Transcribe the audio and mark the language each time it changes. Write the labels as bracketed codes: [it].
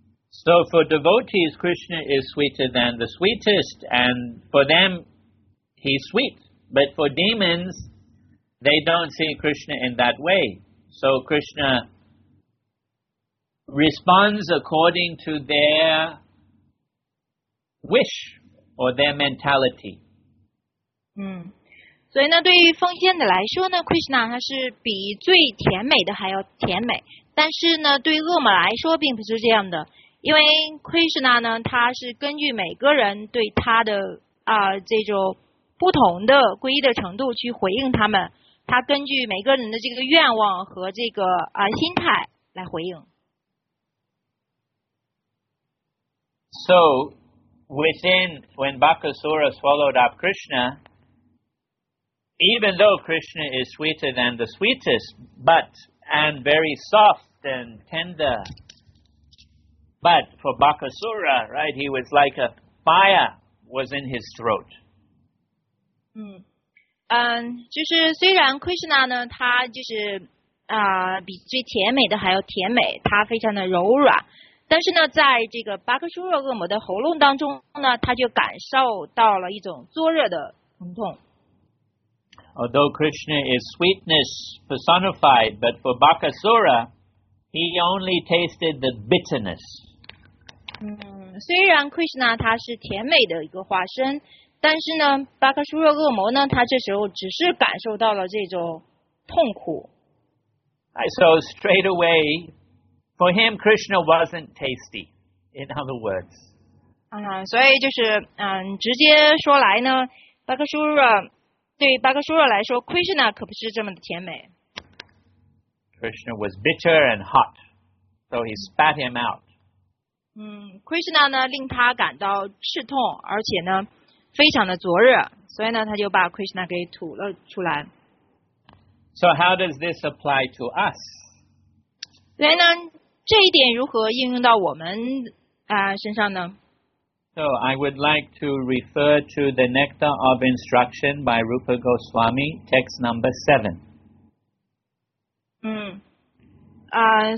[en] So for devotees, Krishna is sweeter than the sweetest, and for them he's sweet, but for demons they don't see Krishna in that way, so Krishna responds according to their wishor their mentality. [zh] 所以呢，对于奉献的来说呢， Krishna 他是比最甜美的还要甜美，但是呢，对恶魔来说并不是这样的，因为 Krishna 呢，他是根据每个人对他的这种不同的皈依的程度去回应他们，他根据每个人的这个愿望和这个心态来回应。 [en] SoWithin, when Bakasura swallowed up Krishna, even though Krishna is sweeter than the sweetest, but, and very soft and tender, but for Bakasura, right, he was like a fire was in his throat. [zh] 就是虽然 Krishna 呢，他就是比最甜美的还要甜美，他非常的柔软。但是呢，在这个巴克苏若恶魔的喉咙当中呢，他就感受到了一种灼热的疼痛。 [en] Although Krishna is sweetness personified, but for Bakasura, he only tasted the bitterness. [zh] 虽然 Krishna 他是甜美的一个化身，但是呢，巴克苏若恶魔呢，他这时候只是感受到了这种痛苦。 [en] So straight away. For him, Krishna wasn't tasty, in other words. [zh] 所以就是直接说来呢，巴克苏若，对巴克苏若来说， Krishna 可不是这么的甜美。 [en] Krishna was bitter and hot, so he spat him out. [zh] Krishna 呢，令他感到刺痛，而且呢，非常的灼热，所以呢，他就把 Krishna 给吐了出来。 [en] So how does this apply to us? [zh] 所以呢，这一点如何应用到我们身上呢？ [en] So I would like to refer to the Nectar of Instruction by Rupa Goswami, text number 7.